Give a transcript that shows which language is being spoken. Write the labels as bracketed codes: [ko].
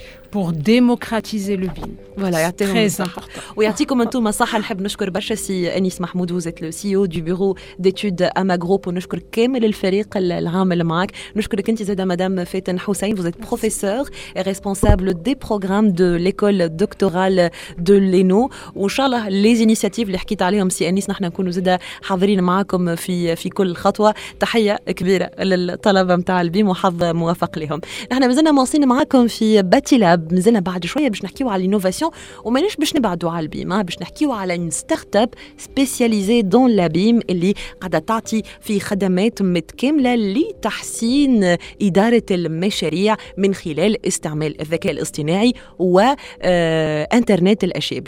[fr] pour démocratiser le BIM. Voilà, c'est très important. Oui, merci comme tout ma [ar] صح نحب نشكر برشا سي انيس محمود, [fr] vous êtes le CEO du bureau d'études Amagroup. [ar] On نشكر كامل الفريق العامل معاك. نشكرك انت زاده [fr] madame Faitan Hussein, vous êtes professeur et responsable des programmes de l'école doctorale de l'ENO. [ar] وان شاء الله [fr] les initiatives [ar] اللي حكيت عليهم سي انيس نحن نكونوا زاده حاضرين معاكم في كل خطوه. تحيه كبيره للطلبه نتاع البيم وحظ موفق لهم. نحن مازلنا مواصلين معاكم في باتيلا مازلنا بعد شويه باش نحكيوا على الانوفاسيون ومانيش باش نبعدوا على البيم باش نحكيوا على [fr] ان ستارت اب سبيسياليزي دون لابيم [ar] اللي قاعده تعطي في خدمات متكامله لتحسين اداره المشاريع من خلال استعمال الذكاء الاصطناعي و انترنت الاشياء.